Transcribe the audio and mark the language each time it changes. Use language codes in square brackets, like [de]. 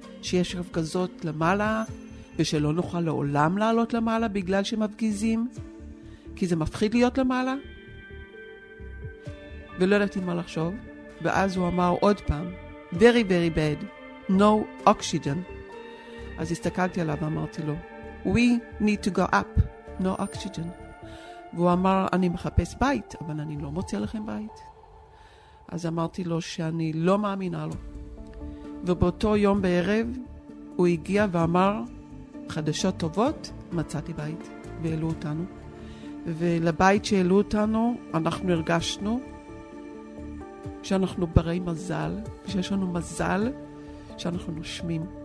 [he] שיש רפגזות למעלה ושלא נוכל לעולם לעלות למעלה בגלל שמפגיזים? כי זה מפחיד להיות למעלה? ולא ידעתי מה לחשוב. ואז הוא אמר עוד פעם, [en] very very bad, no oxygen. [he] אז הסתכלתי עליו ואמרתי לו, [en] we need to go up, no oxygen. [he] והוא אמר, אני מחפש בית, אבל אני לא מוצא לכם בית. אז אמרתי לו שאני לא מאמינה לו. ובאותו יום בערב, הוא הגיע ואמר, חדשות טובות, מצאתי בית, ועלו אותנו. ולבית שעלו אותנו, אנחנו הרגשנו שאנחנו ברי מזל, שיש לנו מזל שאנחנו נושמים.